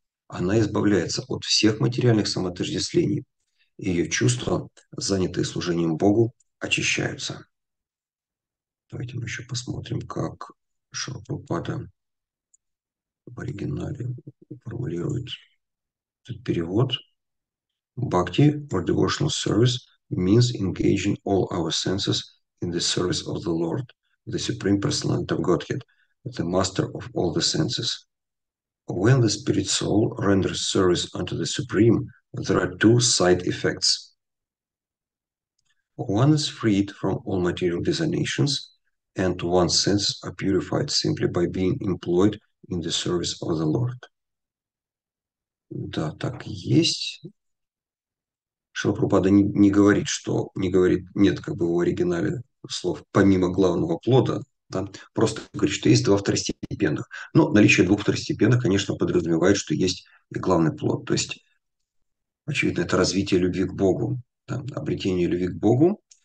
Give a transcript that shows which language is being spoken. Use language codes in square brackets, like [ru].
[ru] Она избавляется от всех материальных самоотождествлений, и ее чувства, занятые служением Богу, очищаются. Давайте мы еще посмотрим, как Шрила Прабхупада в оригинале формулирует этот перевод. [en] Bhakti or devotional service means engaging all our senses in the service of the Lord, the Supreme Personality of Godhead, the master of all the senses. When the spirit soul renders service unto the Supreme, there are two side effects. One is freed from all material designations, and one's senses are purified simply by being employed in the service of the Lord. [ru] Да, так и есть. Шрила Прабхупада не говорит, что не говорит, нет, как бы в оригинале слов помимо главного плода, да, просто говорит, что есть два второстепенных. Но наличие двух второстепенных, конечно, подразумевает, что есть и главный плод. То есть, очевидно, это развитие любви к Богу, да, обретение любви к Богу.